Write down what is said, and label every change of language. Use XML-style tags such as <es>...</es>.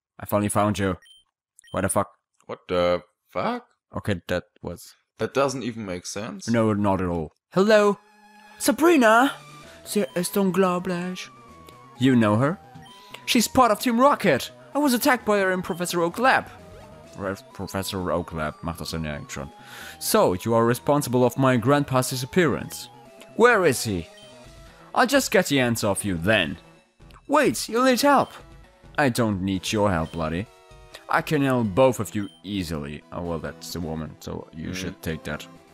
<en>I finally found you. Why the fuck? What the fuck? Okay, that was. That doesn't even make sense. No, not at all. Hello? Sabrina? Sir Eston Glaublash. You know her? She's part of Team Rocket! I was attacked by her in Professor Oak Lab.</en> <de>Professor Oak Lab, macht das denn eigentlich schon.</de> <en>So, you are responsible of my grandpa's disappearance. Where is he? I'll just get the answer of you then. Wait, you'll need help. I don't need your help, bloody. I can help both of you easily. Oh, well, that's the woman, so you should take that.</en>